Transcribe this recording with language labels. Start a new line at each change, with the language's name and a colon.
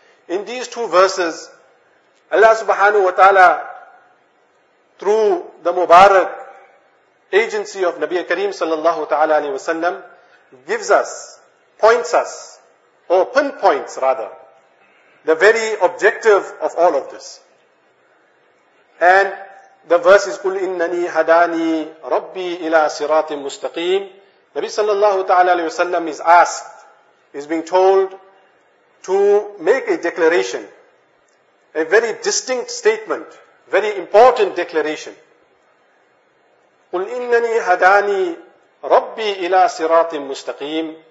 English: In these two verses, Allah subhanahu wa ta'ala, through the Mubarak agency of Nabi Kareem sallallahu ta'ala alayhi wa sallam, gives us, points us, or pinpoints rather, the very objective of all of this. And the verse is,
Arabic: قُلْ إِنَّنِي هَدَانِي رَبِّي إِلَىٰ صِرَاطٍ مُسْتَقِيمٍ.
English: Nabi sallallahu ta'ala alayhi wa sallam is asked, is being told to make a declaration, a very distinct statement, very important declaration.
Arabic: قُلْ إِنَّنِي هَدَانِي رَبِّي إِلَىٰ صِرَاطٍ مُسْتَقِيمٍ.